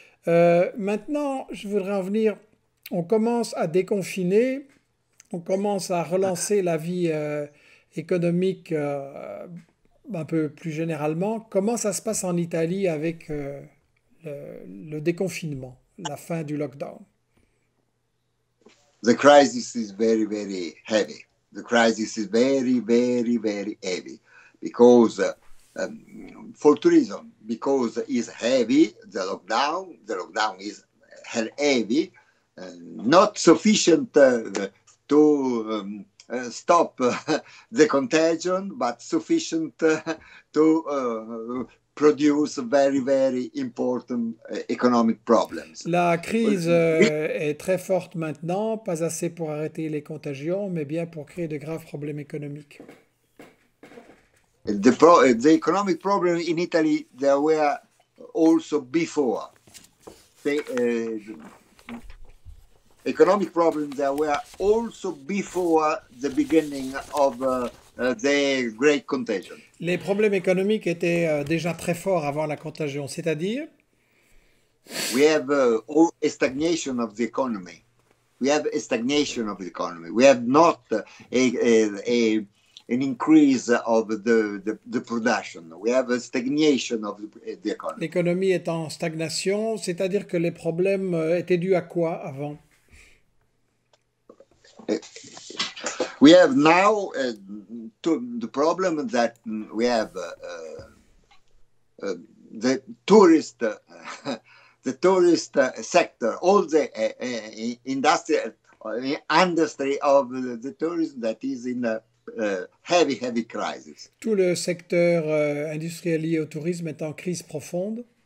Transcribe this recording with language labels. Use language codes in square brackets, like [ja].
[fr] Maintenant, je voudrais en venir. On commence à déconfiner, on commence à relancer la vie économique un peu plus généralement. Comment ça se passe en Italie avec le déconfinement, la fin du lockdown? [en] The crisis is very, very heavy. The crisis is very, very, very heavy because for two reasons. Because it's heavy, the lockdown is heavy, not sufficient to stop the contagion, but sufficient to produce very, very important economic problems. [fr] La crise est très forte maintenant, pas assez pour arrêter les contagions, mais bien pour créer de graves problèmes économiques. [en] The economic problem in Italy, there were also before. economic problems there were also before the beginning of the great contagion. [fr] Les problèmes économiques étaient déjà très forts avant la contagion, c'est-à-dire? [en] We have a stagnation of the economy. We have a stagnation of the economy. We have not an increase of the production. We have a stagnation of the economy. [fr] L'économie est en stagnation, c'est-à-dire que les problèmes étaient dus à quoi avant? [en] We have now the problem that we have the tourist the tourist sector, all the industry of the tourism that is in a heavy crisis. [fr] Tout le secteur industriel lié au tourisme est en crise profonde.